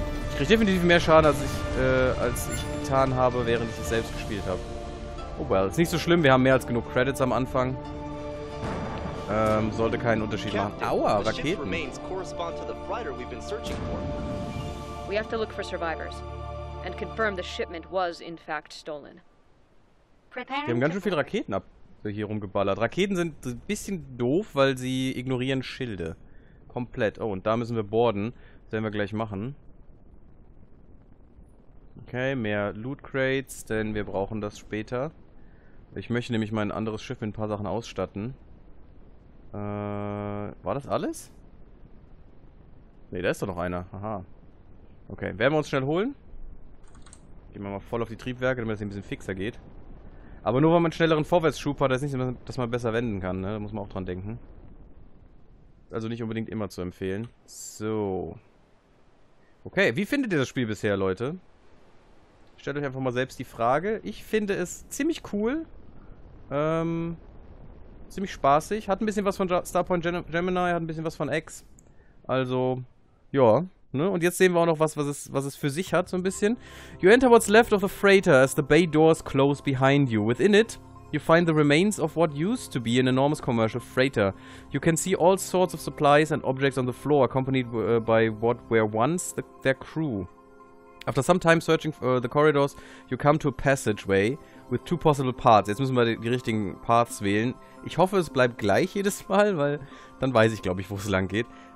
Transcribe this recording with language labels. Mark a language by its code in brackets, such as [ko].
[de] Ich kriege definitiv mehr Schaden, als ich getan habe, während ich es selbst gespielt habe. [en] Oh well, [de] ist nicht so schlimm. Wir haben mehr als genug Credits am Anfang. Sollte keinen Unterschied machen. Aua, Raketen. [en] We have to look for survivors and confirm the shipment was in fact stolen. [de] Die haben ganz schön viele Raketen ab hier rumgeballert. Raketen sind ein bisschen doof, weil sie ignorieren Schilde. Komplett. Oh, und da müssen wir boarden. Das werden wir gleich machen. Okay, mehr Loot Crates, denn wir brauchen das später. Ich möchte nämlich mein anderes Schiff mit ein paar Sachen ausstatten. War das alles? Ne, da ist doch noch einer. Aha. Okay, werden wir uns schnell holen. Gehen wir mal voll auf die Triebwerke, damit es ein bisschen fixer geht. Aber nur, weil man schnelleren Vorwärtsschub hat, ist nicht, dass man besser wenden kann. Ne? Da muss man auch dran denken. Also nicht unbedingt immer zu empfehlen. So. Okay, wie findet ihr das Spiel bisher, Leute? Stellt euch einfach mal selbst die Frage. Ich finde es ziemlich cool. Ziemlich spaßig. Hat ein bisschen was von Starpoint Gemini, hat ein bisschen was von X. Also, ja. Ne? Und jetzt sehen wir auch noch was, was es für sich hat, so ein bisschen. [en] You enter what's left of the freighter as the bay doors close behind you. Within it, you find the remains of what used to be an enormous commercial freighter. You can see all sorts of supplies and objects on the floor, accompanied by what were once their crew. After some time searching the corridors, you come to a passageway with two possible paths. [de] Jetzt müssen wir die richtigen Paths wählen. Ich hoffe, es bleibt gleich jedes Mal, weil dann weiß ich, glaube ich, wo es lang geht.